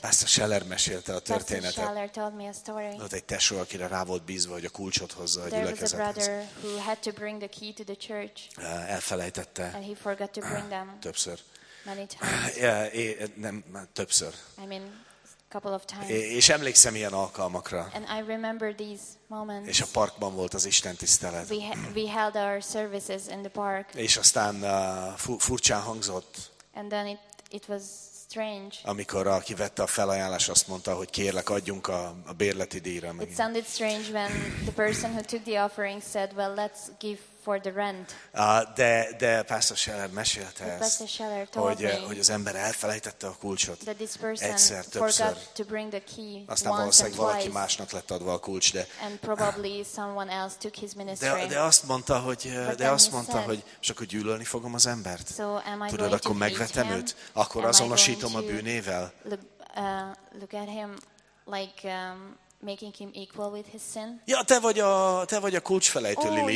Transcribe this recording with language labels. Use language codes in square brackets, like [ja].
[hu] Pastor Scheller mesélte a történetet. [en] Pastor Scheller told me a story. [hu] Tudod, egy tesó, akire rá volt bízva, hogy a kulcsot hozza a gyülekezethez. [en] There was a brother who had to bring the key to the church. [hu] Elfelejtette. [en] And he forgot to bring them. [hu] Többször. [en] Many times. [hu] Többször. [en] I mean, couple of times. [hu] És emlékszem ilyen alkalmakra. [en] And I remember these moments. [hu] És a parkban volt az istentisztelet. [en] We held our services in the park. [hu] És aztán furcsán hangzott. [en] And then it was strange. [hu] Amikor aki vette a felajánlás, azt mondta, hogy kérlek, adjunk a bérleti díjra. [en] It sounded strange when the person who took the offering said, well, let's give for the rent. [hu] De Pastor Scheller mesélte ezt, hogy az ember elfelejtette a kulcsot. [en] That this person [hu] egyszer, többször. [en] Forgot to bring the key. [hu] Aztán valószínűleg valaki másnak lett adva a kulcs, de. [en] And probably someone else took his ministry. [hu] De azt mondta, hogy és akkor gyűlölni fogom az embert. [en] So am I [hu] tudod, akkor megvetem őt, akkor [en] am [hu] azonosítom a bűnével. [en] Look at him like making him equal with his sin. [hu] Ja, te vagy a kulcsfelejtő, Lili.